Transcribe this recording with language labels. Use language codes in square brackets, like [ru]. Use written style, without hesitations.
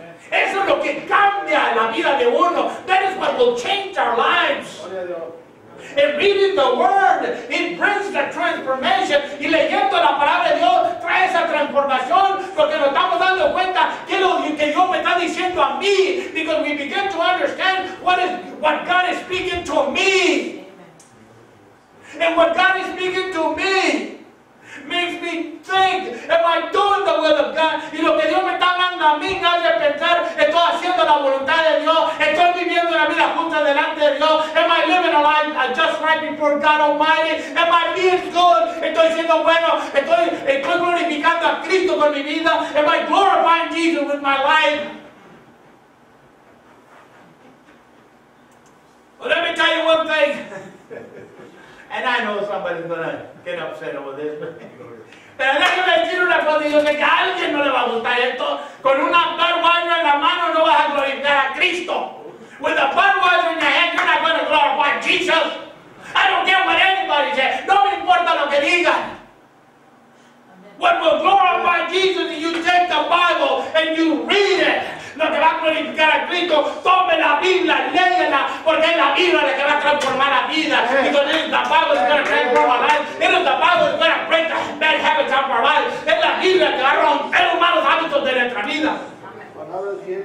[es] Eso es lo que cambia la vida de uno. [en] That is what will change our lives. And reading the word, it brings the transformation. [es] Y leyendo la palabra de Dios, trae esa transformación. Porque nos estamos dando cuenta que lo que Dios me está diciendo a mí. [en] Because we begin to understand what God is speaking to me. And what God is speaking to me. Makes me think, am I doing the will of God? [es] Y lo que Dios me está dando a mí, no es de pensar, estoy haciendo la voluntad de Dios, estoy viviendo una vida justa delante de Dios, [en] am I living a life just right before God Almighty? Am I being good? [es] Estoy siendo bueno, estoy glorificando a Cristo con mi vida, [en] am I glorifying Jesus with my life? Well, let me tell you one thing. And I know somebody's going to get upset over this. [es] Pero déjame decir una cosa. Yo sé que a alguien no le va a gustar esto. Con una Budweiser en la mano no vas a glorificar a Cristo. [en] With a Budweiser in your hand, you're not going to glorify Jesus. I don't care what anybody says. [es] No me importa lo que digan. [en] What will glorify Jesus if you take the Bible and you read it. [es] No te va a glorificar a Cristo. Tome la Biblia, léela, porque es la Biblia la que va a transformar la vida. [en] Because it is the Bible that's going to transform our lives. It is the Bible that's going to break the bad habits out of our lives. [es] Es la Biblia que va a romper los malos hábitos de nuestra vida.